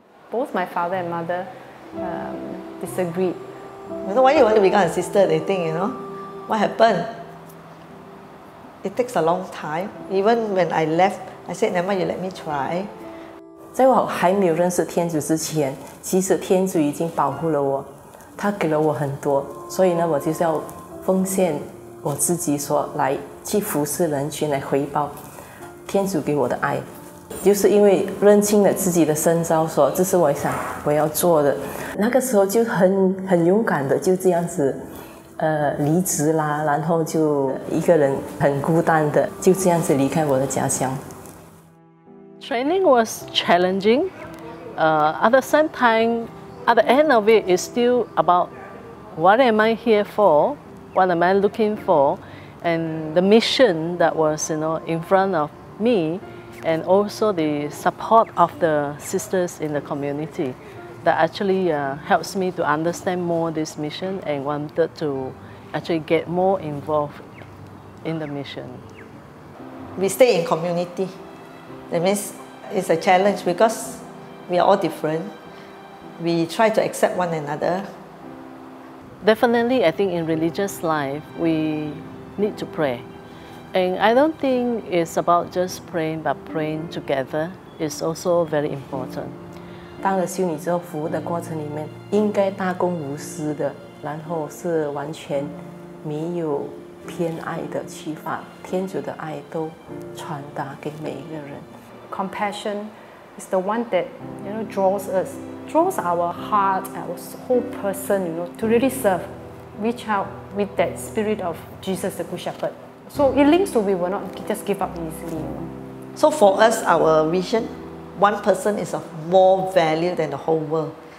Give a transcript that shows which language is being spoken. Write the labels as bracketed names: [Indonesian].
[English] Both my father and mother disagreed. You know, why you want to become a sister, they think, you know? What happened? It takes a long time. Even when I left, I said, never mind, you let me try. [Chinese] 在我还没有认识天主之前, 其实天主已经保护了我, 他给了我很多, 所以呢, 我就是要奉献 我自己说来去服侍人，去来回报天主给我的爱，就是因为认清了自己的身遭，说这是我想我要做的。那个时候就很勇敢的，就这样子，离职啦，然后就一个人很孤单的，就这样子离开我的家乡。 [English] Training was challenging. At the same time, at the end of it, it's still about what am I here for? What am I looking for? And the mission that was, you know, in front of me, and also the support of the sisters in the community that actually helps me to understand more this mission and wanted to actually get more involved in the mission. We stay in community. That means it's a challenge because we are all different. We try to accept one another. Definitely, I think in religious life, we need to pray. And I don't think it's about just praying, but praying together is also very important. [Chinese] 当了修女之后，服务的过程里面, 应该大公无私的，然后是完全没有偏爱的去把天主的爱都传达给每一个人。 [English] Compassion is the one that, you know, draws us. Draws our heart, our whole person, you know, to really serve, reach out with that spirit of Jesus, the Good Shepherd. So it links to we will not just give up easily. You know. So for us, our vision, one person is of more value than the whole world.